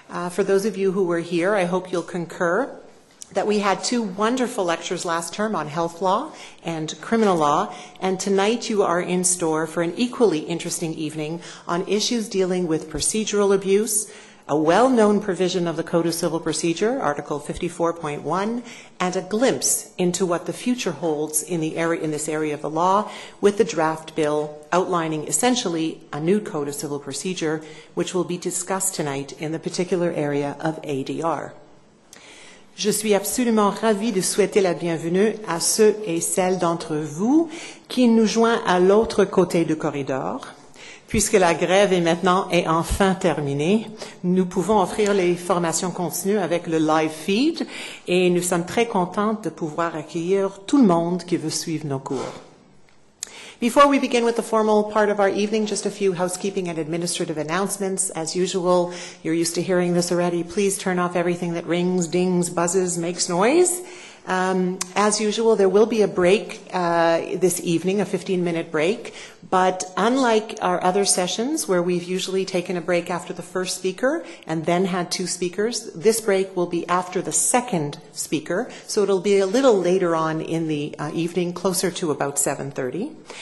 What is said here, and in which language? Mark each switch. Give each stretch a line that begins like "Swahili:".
English: For those of you who were here, I hope you'll concur that we had two wonderful lectures last term on health law and criminal law, and tonight you are in store for an equally interesting evening on issues dealing with procedural abuse, a well-known provision of the Code of Civil Procedure, Article 54.1, and a glimpse into what the future holds in this area of the law with the draft bill outlining essentially a new Code of Civil Procedure, which will be discussed tonight in the particular area of ADR.
French: Je suis absolument ravie de souhaiter la bienvenue à ceux et celles d'entre vous qui nous joignent à l'autre côté du corridor. Puisque la grève est maintenant et enfin terminée, nous pouvons offrir les formations continues avec le live feed et nous sommes très contentes de pouvoir accueillir tout le monde qui veut suivre nos cours.
English: Before we begin with the formal part of our evening, just a few housekeeping and administrative announcements. As usual, you're used to hearing this already. Please turn off everything that rings, dings, buzzes, makes noise. As usual, there will be a break this evening, a 15-minute break, but unlike our other sessions where we've usually taken a break after the first speaker and then had two speakers, this break will be after the second speaker, so it'll be a little later on in the evening, closer to about 7:30.